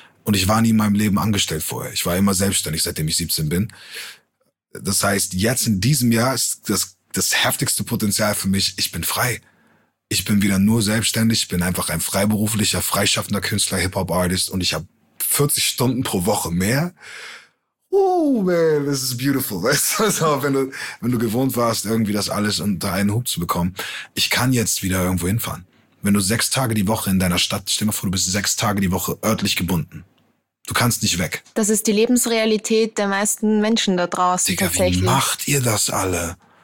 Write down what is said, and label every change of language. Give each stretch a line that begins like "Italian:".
German: Und ich war nie in meinem Leben angestellt vorher. Ich war immer selbstständig, seitdem ich 17 bin. Das heißt, jetzt in diesem Jahr ist das heftigste Potenzial für mich, ich bin frei. Ich bin wieder nur selbstständig, bin einfach ein freiberuflicher, freischaffender Künstler, Hip-Hop-Artist und ich habe 40 Stunden pro Woche mehr.
English: Oh man, this is beautiful.
German: Weißt du, also, wenn du gewohnt warst, irgendwie das alles unter einen Hut zu bekommen, ich kann jetzt wieder irgendwo hinfahren. Wenn du 6 Tage die Woche in deiner Stadt, stell dir vor, du bist 6 Tage die Woche örtlich gebunden. Du kannst nicht weg. Das ist die Lebensrealität der meisten Menschen da draußen. Digga, tatsächlich. Wie macht ihr das alle?